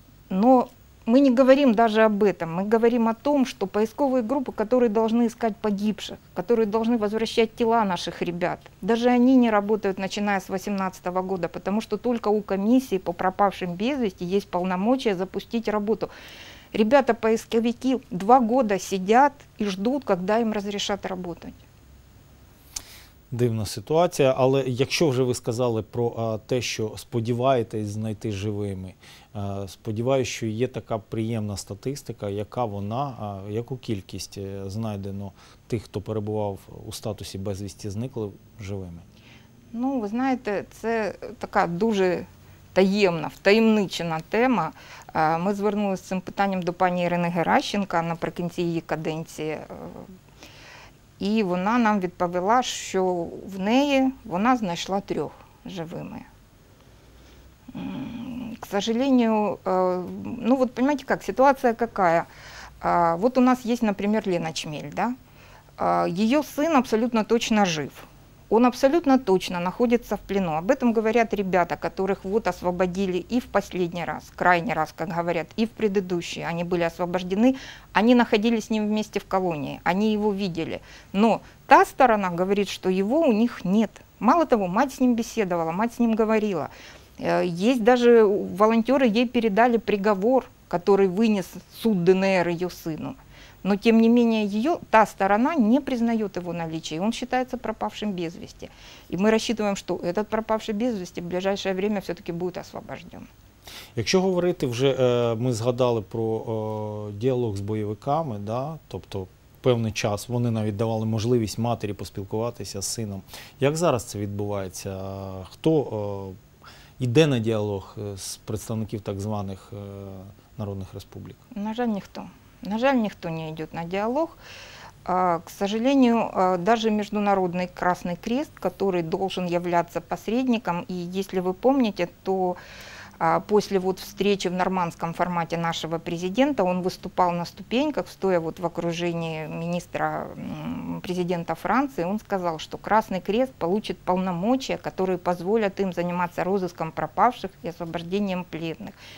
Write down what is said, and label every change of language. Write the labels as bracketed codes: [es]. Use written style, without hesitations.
[ru] Но мы не говорим даже об этом, мы говорим о том, что поисковые группы, которые должны искать погибших, которые должны возвращать тела наших ребят, даже они не работают, начиная с 2018 года, потому что только у комиссии по пропавшим без вести есть полномочия запустить работу. Ребята-поисковики 2 года сидят и ждут, когда им разрешат работать. [uk] Дивна ситуація, але якщо вже ви сказали про те, що сподіваєтесь знайти живими, сподіваюся, що є така приємна статистика, яка вона, яку кількість знайдено тих, хто перебував у статусі безвісті зникли живими? Ну, ви знаєте, це така дуже таємна, втаємничена тема. Ми звернулися з цим питанням до пані Ірини Геращенко наприкінці її каденції. І вона нам відповіла, що в неї вона знайшла трьох живими. [ru] К сожалению, ну вот понимаете, как ситуация какая. Вот у нас есть, например, Лена Чмель, да? Ее сын абсолютно точно жив. Он абсолютно точно находится в плену. Об этом говорят ребята, которых вот освободили и в последний раз, крайний раз, как говорят, и в предыдущий. Они были освобождены, они находились с ним вместе в колонии, они его видели. Но та сторона говорит, что его у них нет. Мало того, мать с ним беседовала, мать с ним говорила. Есть даже волонтеры, ей передали приговор, который вынес суд ДНР ее сыну. Но, тем не менее, ее, та сторона не признает его наличие, и он считается пропавшим без вести. И мы рассчитываем, что этот пропавший без вести в ближайшее время все-таки будет освобожден. [uk] Якщо говорити вже, ми згадали про діалог з бойовиками, да? Тобто певний час вони навіть давали можливість матері поспілкуватися з сином. Як зараз це відбувається? Хто іде на діалог з представників так званих народних республік? На жаль, ніхто. На жаль, [ru] никто не идет на диалог. К сожалению, даже Международный Красный Крест, который должен являться посредником, и если вы помните, то после вот встречи в нормандском формате нашего президента, он выступал на ступеньках, стоя вот в окружении министра президента Франции, он сказал, что Красный Крест получит полномочия, которые позволят им заниматься розыском пропавших и освобождением пленных.